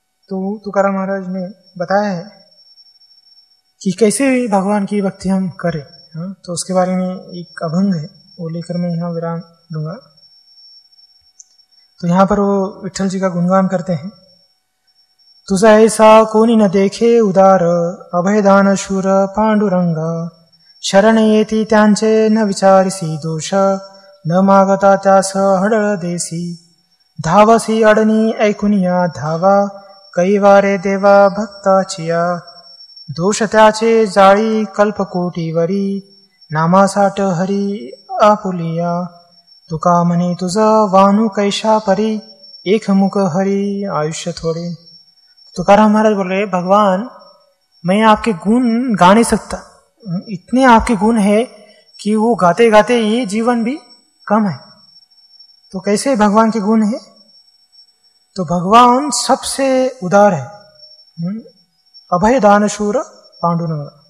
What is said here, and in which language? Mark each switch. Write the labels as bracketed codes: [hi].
[hi] तो तुकाराम महाराज ने बताया है कि कैसे भगवान की भक्ति हम करें, तो उसके बारे में एक अभंग है, वो लेकर मैं यहाँ विराम दूंगा। तो यहाँ पर वो विट्ठल जी का गुणगान करते हैं। [mr] तुझ ऐसा कोनी न देखे उदार, अभयदान शूर पांडुरंग, शरण येति त्यांचे न विचारिसी दोष, न मागता त्यास हडळ देसी, धावसी अडनी ऐकुनिया धावा, कैवारे देवा भक्ता चिया, दोष त्याचे जाळी कल्पकोटीवरी, नामा साट हरी आपुलिया, तुका मनी तुझ वानु कैशा परी, एक मुख हरी आयुष्य थोड़े। [hi] तुकाराम महाराज बोल रहे, भगवान मैं आपके गुण गा नहीं सकता, इतने आपके गुण है कि वो गाते गाते ये जीवन भी कम है। तो कैसे भगवान के गुण है? तो भगवान सबसे उदार है, अभय दानशूर पांडुरंग।